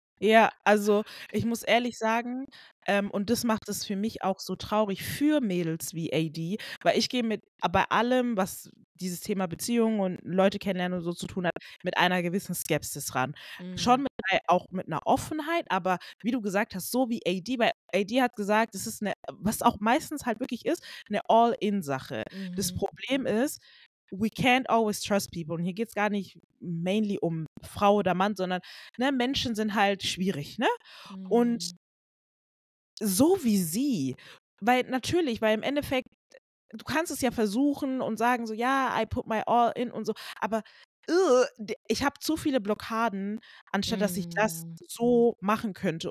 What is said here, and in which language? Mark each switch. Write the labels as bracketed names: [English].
[German] Ja, also ich muss ehrlich sagen, und das macht es für mich auch so traurig für Mädels wie AD, weil ich gehe mit bei allem, was dieses Thema Beziehungen und Leute kennenlernen und so zu tun hat, mit einer gewissen Skepsis ran. Schon mit einer Offenheit, aber wie du gesagt hast, so wie AD, weil AD hat gesagt, das ist eine, was auch meistens halt wirklich ist, eine All-In-Sache. Mhm. Das Problem ist, [English] we can't always trust people. [German] Und hier geht es gar nicht mainly um Frau oder Mann, sondern ne, Menschen sind halt schwierig. Ne? Und so wie sie, weil natürlich, weil im Endeffekt, du kannst es ja versuchen und sagen so, ja, [English] I put my all in [German] und so, aber ich habe zu viele Blockaden, anstatt dass ich das so machen könnte.